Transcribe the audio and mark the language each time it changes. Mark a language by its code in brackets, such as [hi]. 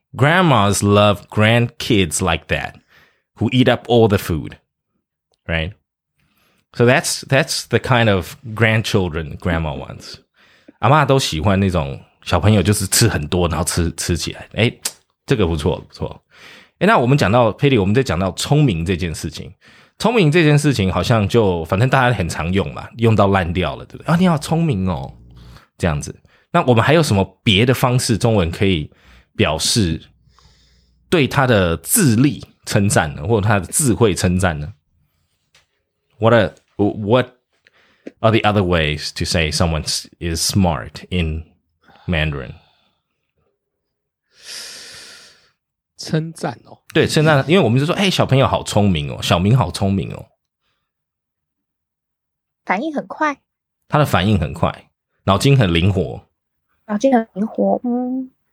[en] Grandmas love grandkids like that, who eat up all the food, right? So that's the kind of grandchildren grandma wants. [zh] 阿嬷都喜欢那种小朋友，就是吃很多，然后吃起来。哎，这个不错不错。哎，那我们讲到 Patty, 我们在讲到聪明这件事情。聪明这件事情好像就反正大家很常用嘛，用到烂掉了，对不对？啊，你好聪明哦，这样子。那我们还有什么别的方式，中文可以表示对他的智力称赞呢，或者他的智慧称赞呢？ [en] What are the other ways to say someone is smart in Mandarin? [zh] 称赞哦，对，称赞，因为我们就说，哎，小朋友好聪明哦，小明好聪明哦，反应很快，他的反应很快，脑筋很灵活，脑筋很灵活，嗯。